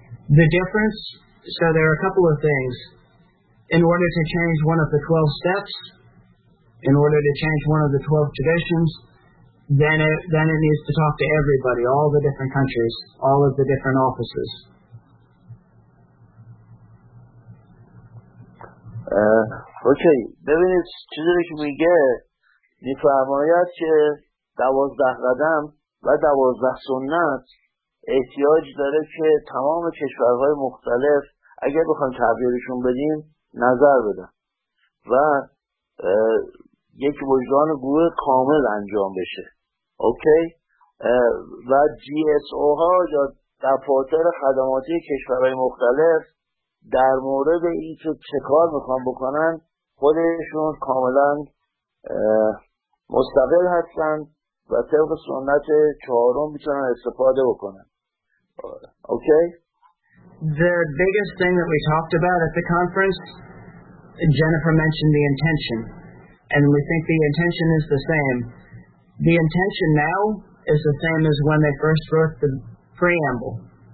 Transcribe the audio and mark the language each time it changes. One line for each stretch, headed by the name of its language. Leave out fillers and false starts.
English: The difference, so there are a couple of things. In order to change one of the 12 steps, in order to change one of the 12 traditions, then it needs to talk to everybody, all the different countries, all of the different offices.
Persian: Okay, ببینید چیزی که میگه میفرماید که 12 قدم و 12 سنت احتیاج داره که تمام کشورهای مختلف اگر بخوام تغییرشون بدیم نظر بدن و یک وجدان گروه کامل انجام بشه. اوکی؟ و جی اس او ها یا دفاتر خدماتی کشورهای مختلف در مورد این که چه کار میخوان بکنن خودشون کاملا مستقل هستن و طبق سنت چهارم میتونن استفاده بکنن. اوکی؟
English: The biggest thing that we talked about at the conference, Jennifer mentioned the intention, and we think the intention is the same. The intention now is the same as when they first wrote the preamble.